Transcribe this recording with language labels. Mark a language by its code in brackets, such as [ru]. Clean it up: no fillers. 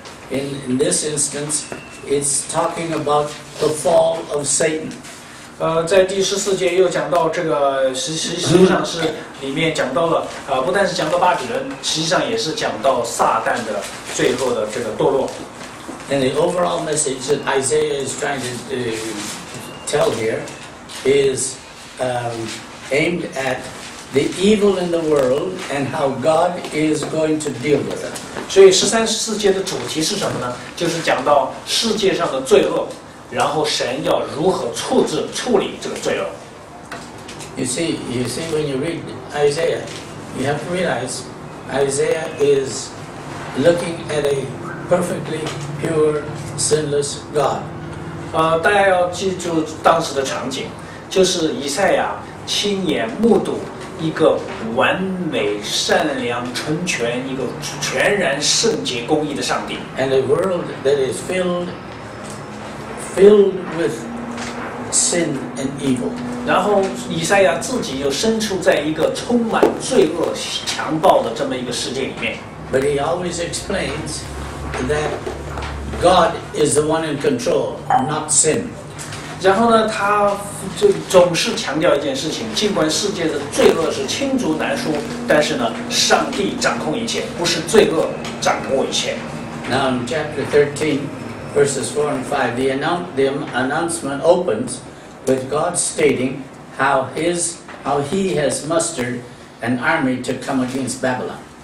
[en] In this instance, it's talking about the fall of Satan. [zh] 在第十四节又讲到这个，实际上是里面讲到了，不但是讲到巴比伦，实际上也是讲到撒旦的最后的这个堕落。 [en] And the overall message that Isaiah is trying to tell here is aimed at the evil in the world and how God is going to deal with it. [zh] 所以十三十四节的主题是什么呢？就是讲到世界上的罪恶。然后神要如何处理这个罪恶。 [en] You see, when you read Isaiah, you have to realize Isaiah is looking at a perfectly pure, sinless God. [zh] 大家要记住当时的场景，就是以赛亚亲眼目睹一个完美、善良、纯全、一个全然圣洁、公义的上帝。 [en] And a world that is filled with sin and evil. [zh] 然后以赛亚自己又身处在一个充满罪恶、强暴的这么一个世界里面。 [en] But he always explains that God is the one in control, not sin. [zh] 然后呢，他就总是强调一件事情：尽管世界的罪恶是罄竹难书，但是呢，上帝掌控一切，不是罪恶掌控一切。 [en] Now in chapter 13. Verses 4 and 5, the announcement opens with God stating how he has mustered an army to come against Babylon.